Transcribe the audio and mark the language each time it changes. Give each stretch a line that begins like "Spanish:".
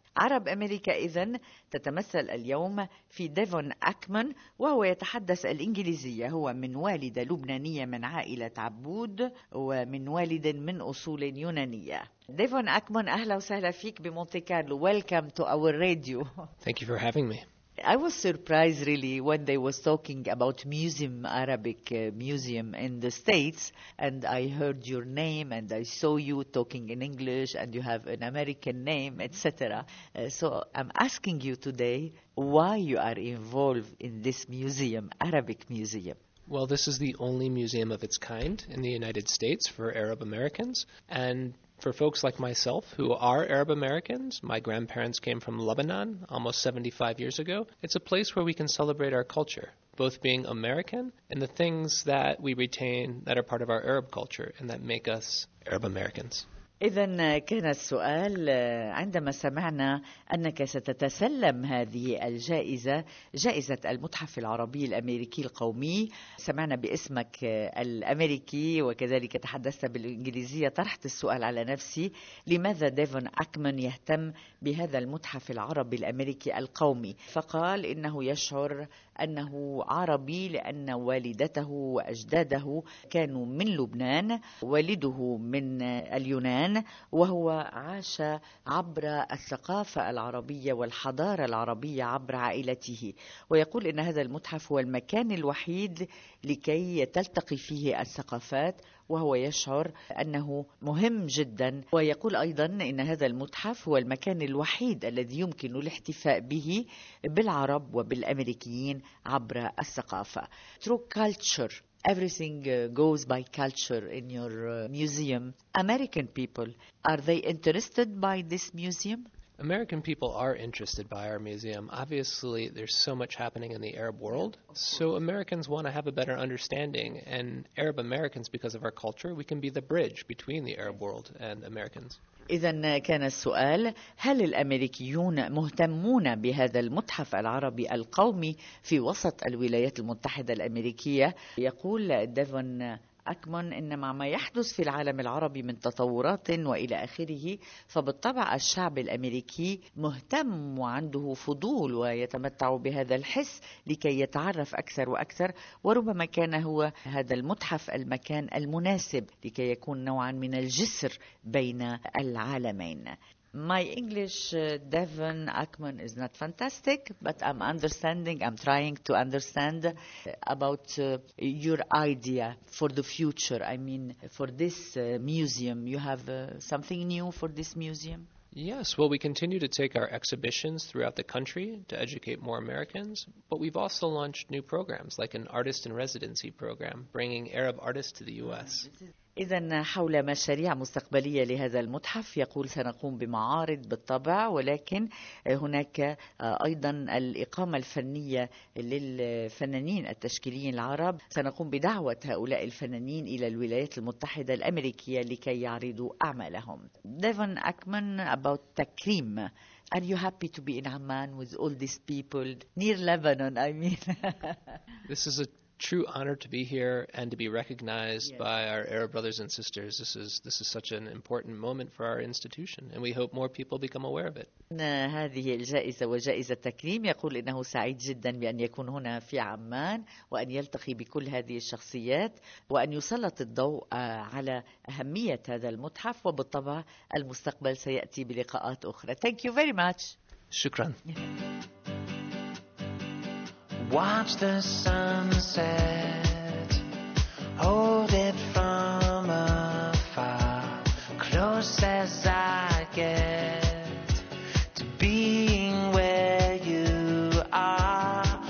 Arabic: عرب أمريكا إذن تتمثل اليوم في ديفون أكمن، وهو يتحدث الإنجليزية، هو من والدة لبنانية من عائلة عبود، ومن والد من أصول يونانية. ديفون أكمن، أهلا وسهلا فيك بمونتي كارلو.
English: Welcome to our radio. Thank you for having me. I was surprised really when they was talking about museum, Arabic museum in the States, and I heard your name and I saw you talking in English and you have an American name, etc. So I'm asking you today why you are involved in this museum, Arabic museum. Well, this is the only museum of its kind in the United States for Arab Americans. And for folks like myself who are Arab Americans, my grandparents came from Lebanon almost 75 years ago. It's a place where we can celebrate our culture, both being American and the things that we retain that are part of our Arab culture and that make us Arab Americans.
Arabic: إذن كان السؤال عندما سمعنا أنك ستتسلم هذه الجائزة جائزة المتحف العربي الأمريكي القومي سمعنا باسمك الأمريكي وكذلك تحدثت بالإنجليزية طرحت السؤال على نفسي لماذا ديفون أكمان يهتم بهذا المتحف العربي الأمريكي القومي فقال إنه يشعر أنه عربي لأن والدته وأجداده كانوا من لبنان والده من اليونان وهو عاش عبر الثقافة العربية والحضارة العربية عبر عائلته ويقول إن هذا المتحف هو المكان الوحيد لكي تلتقي فيه الثقافات وهو يشعر أنه مهم جدا ويقول أيضا إن هذا المتحف هو المكان الوحيد الذي يمكن الاحتفاء به بالعرب وبالأمريكيين عبر الثقافة
English: Through culture, everything goes by culture in your museum. American people, are they interested by this museum? American people are interested by our museum. Obviously, there's so much happening in the Arab world. So Americans want to have a better understanding. And Arab Americans, because of our culture, we can be the bridge between the Arab world and Americans.
Arabic: إذن كان السؤال هل الأمريكيون مهتمون بهذا المتحف العربي القومي في وسط الولايات المتحدة الأمريكية؟ يقول ديفون أكمن إن مع ما يحدث في العالم العربي من تطورات وإلى آخره فبالطبع الشعب الأمريكي مهتم وعنده فضول ويتمتع بهذا الحس لكي يتعرف أكثر وأكثر وربما كان هو هذا المتحف المكان المناسب لكي يكون نوعا من الجسر بين العالمين
English: My English, Devon Ackman, is not fantastic, but I'm understanding, I'm trying to understand about your idea for the future. I mean, for this museum, you have something new for this museum? Yes, well, we continue to take our exhibitions throughout the country to educate more Americans, but we've also launched new programs, like an artist-in-residency program, bringing Arab artists to the U.S.
Arabic: إذن حول مشاريع مستقبلية لهذا المتحف يقول سنقوم بمعارض بالطبع ولكن هناك أيضا الإقامة الفنية للفنانين التشكيليين العرب سنقوم بدعوة هؤلاء الفنانين إلى الولايات المتحدة الأمريكية لكي يعرضوا أعمالهم ديفون أكمان about تكريم
English: Are you happy to be in Amman with all these people near Lebanon I mean This is a true honor to be here and to be recognized yes. by our Arab brothers and sisters. This is such an important moment for our institution and we hope more people become aware of it.
Arabic: هذه الجائزة وجائزة التكريم يقول إنه سعيد جدا بأن يكون هنا في عمان وأن يلتقي بكل هذه الشخصيات وأن يسلط الضوء على أهمية هذا المتحف وبالطبع المستقبل سيأتي بلقاءات أخرى.
English: Thank you very much.
Arabic: شكرا.
English: Watch the sunset, hold it from afar, close as I get to being where you are.